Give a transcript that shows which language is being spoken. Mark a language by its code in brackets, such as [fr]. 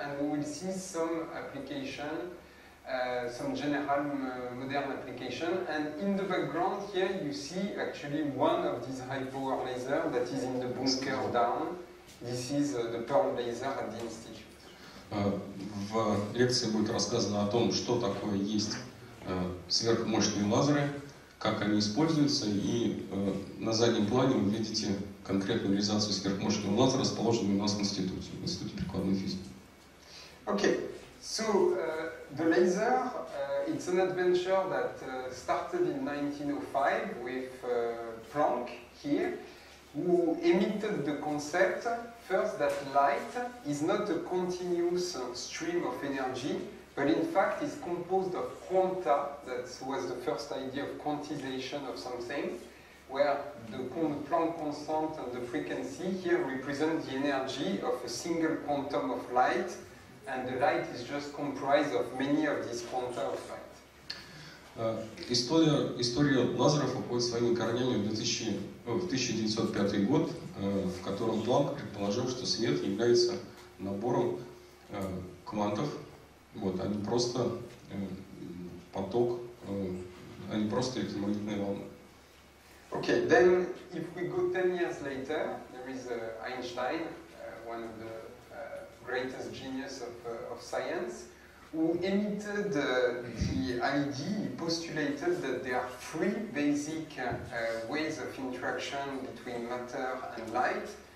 [en] And we will see some application, some general modern application. And in the background here, you see actually one of these high power lasers that is in the bunker down. This is the Pearl laser at the Institute. [ru] В лекции будет рассказано о том, что такое есть сверхмощные лазеры, как они используются, и на заднем плане вы видите конкретную реализацию сверхмощного лазера, расположенную у нас в институте, в Институте прикладной физики. [en] Okay, so the laser, it's an adventure that started in 1905 with Planck here, who emitted the concept first that light is not a continuous stream of energy, but in fact is composed of quanta. That was the first idea of quantization of something, where the Planck constant and the frequency here represent the energy of a single quantum of light, and the light is just comprised of many of these quanta of light. [ru] История лазеров уходит своими корнями в 1905 год, в котором Планк предположил, что свет является набором квантов. Вот, они просто поток, они просто электромагнитные волны. [en] Okay, then if we go 10 years later, there is Einstein, one of the greatest genius of science, who emitted the idea, postulated that there are three basic ways of interaction between matter and light.